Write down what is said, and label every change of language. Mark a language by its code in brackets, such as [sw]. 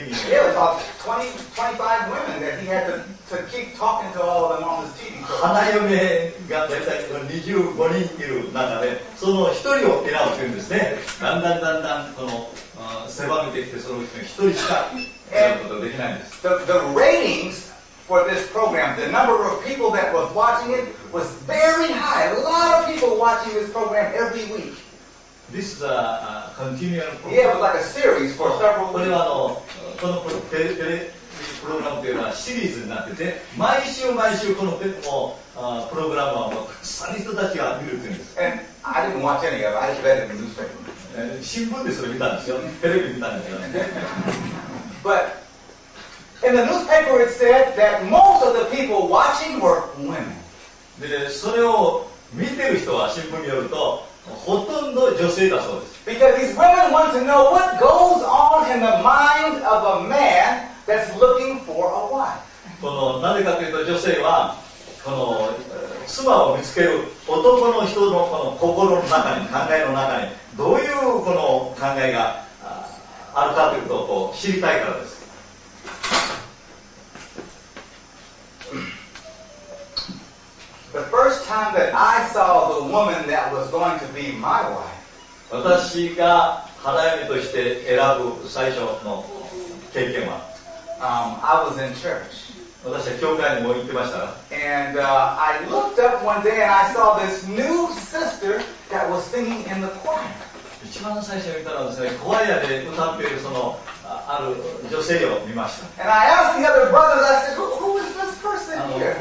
[en] Yeah, about 20, 25 women that he had to keep talking to all of them on his TV. [ja] 花嫁が大体25人いる中で、その1人を選ぶというんですね。だんだんだんだんこの狭めてきて、そのうちの1人しか選ぶことができないんです。 [en] The ratings for this program, the number of people that was watching it was very high. A lot of people watching this program every week. This is a continual program. Yeah, it was like a series for several weeks. [ja] これはこのテレビプログラムというのはシリーズになってて、毎週毎週このプログラムはたくさんの人たちが見るというんです。 [en] And I didn't watch any of it. I just read it in the newspaper. [ja] 新聞でそれ見たんですよ。テレビ見たんですよ。 [en] But in the newspaper it said that most of the people watching were women. [ja] で、それを見てる人は新聞によると、ほとんど女性だそうです。 [en] Because these women want to know what goes on in the mind of a man that's looking for a wife. [ja] このなぜかというと女性はこの妻を見つける男の人のこの心の中に考えの中にどういうこの考えがあるかということをこう知りたいからです。 [en] The first time that I saw the woman that was going to be my wife. [ja] 私が花嫁として選ぶ最初の経験は、 [en] I was in church. [ja] 私は教会にも行ってました。 [en] And I looked up one day and I saw this new sister that was singing in the choir. [ja] 一番最初に見たのはですね、コアヤで歌っているそのある女性を見ました。 [en] And I asked the other brothers, I said, who is this person here?